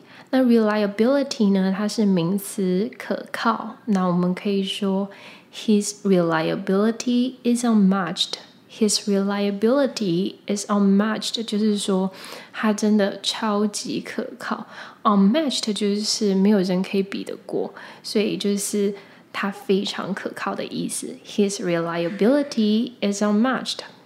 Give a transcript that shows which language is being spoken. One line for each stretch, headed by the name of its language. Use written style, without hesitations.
Chinese: 那 reliability 呢，它是名词，可靠。那我们可以说
English: his reliability is unmatched，
Chinese: his reliability is unmatched， 就是说他真的超级可靠。 unmatched 就是没有人可以比得过，所以就是他非常可靠的意思。
English: His reliability is unmatched.